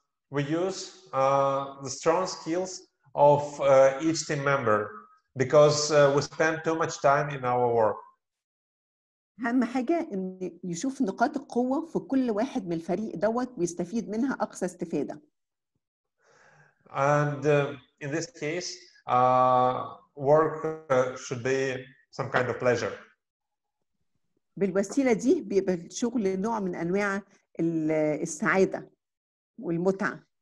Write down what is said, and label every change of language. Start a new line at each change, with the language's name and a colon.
English: We use the strong skills of each team member because we spend too much time in our work.
Arabic: أهم حاجة إن يشوف نقاط القوة في كل واحد من الفريق دوت ويستفيد منها أقصى استفادة.
English: And in this case, work should be some kind of pleasure.
Arabic: بالوسيلة دي بيبقى الشغل نوع من أنواع السعادة والمتعة.